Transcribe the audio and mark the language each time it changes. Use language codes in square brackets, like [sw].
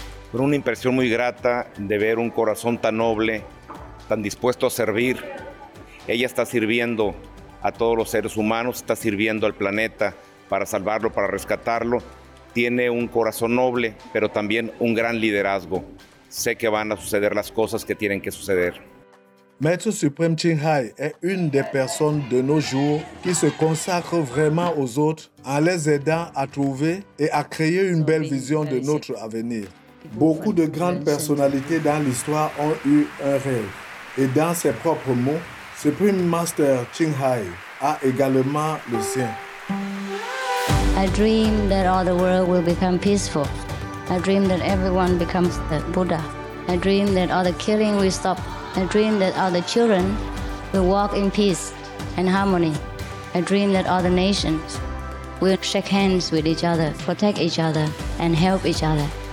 [es] Fue una impresión muy grata de ver un corazón tan noble, tan dispuesto a servir. Ella está sirviendo a todos los seres humanos, está sirviendo al planeta para salvarlo, para rescatarlo. Tiene un corazón noble, pero también un gran liderazgo. Sé que van a suceder las cosas que tienen que suceder. [fr] Maître Suprême Ching Hai est une des personnes de nos jours qui se consacre vraiment aux autres en les aidant à trouver et à créer une belle vision de notre avenir. Beaucoup de grandes personnalités dans l'histoire ont eu un rêve. Et dans ses propres mots, Supreme Master Ching Hai a également le sien. [en] I dream that all the world will become peaceful. I dream that everyone becomes the Buddha. I dream that all the killing will stop. I dream that all the children will walk in peace and harmony. I dream that all the nations will shake hands with each other, protect each other, and help each other.